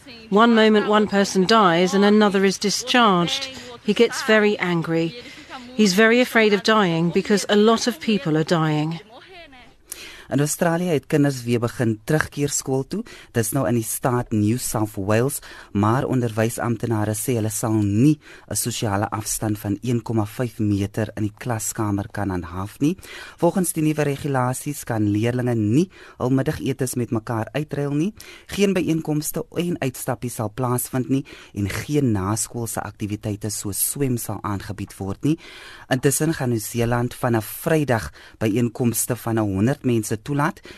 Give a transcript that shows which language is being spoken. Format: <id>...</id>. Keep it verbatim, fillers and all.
<en>One moment one person dies and another is discharged. He gets very angry. He's very afraid of dying because a lot of people are dying.</en> <af>In Australië het kinders weer begin terugkeer skool toe. Dis nou in die staat New South Wales, maar onderwysamptenare sê hulle sal nie 'n sosiale afstand van een komma vyf meter in die klaskamer kan handhaaf nie. Volgens die nuwe regulasies kan leerders nie hul middagetes met mekaar uitruil nie, geen byeenkomste en uitstappies sal plaasvind nie en geen naskoolse aktiwiteite soos swem sal aangebied word nie. Intussen gaan Nieu-Seeland vanaf Vrydag byeenkomste van honderd mense toelaat.</af>